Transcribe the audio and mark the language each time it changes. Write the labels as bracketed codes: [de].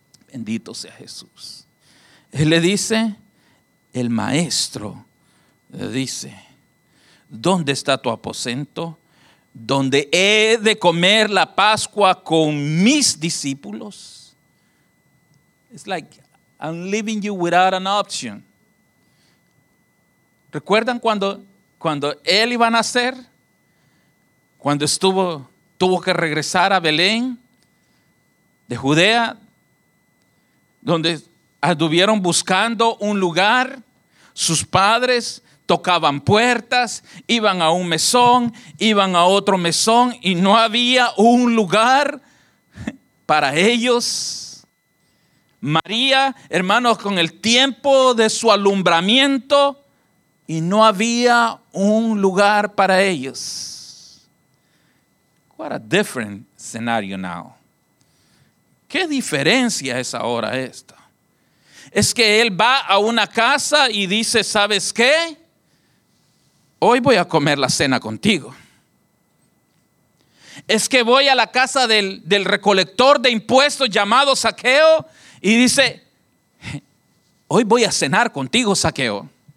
[es] Bendito sea Jesús. Él le dice, el Maestro le dice, ¿dónde está tu aposento? ¿Dónde he de comer la Pascua con mis discípulos? [en] It's like I'm leaving you without an option. [es] ¿Recuerdan cuando él iba a nacer? Cuando tuvo que regresar a Belén de Judea, donde anduvieron buscando un lugar, sus padres tocaban puertas, iban a un mesón, iban a otro mesón y no había un lugar para ellos. María, hermanos, con el tiempo de su alumbramiento, y no había un lugar para ellos. [en] What a different scenario now. [es] ¿Qué diferencia es ahora esto? Es que él va a una casa y dice, ¿sabes qué? Hoy voy a comer la cena contigo. Es que voy a la casa del recolector de impuestos llamado Zaqueo y dice, hoy voy a cenar contigo, Zaqueo.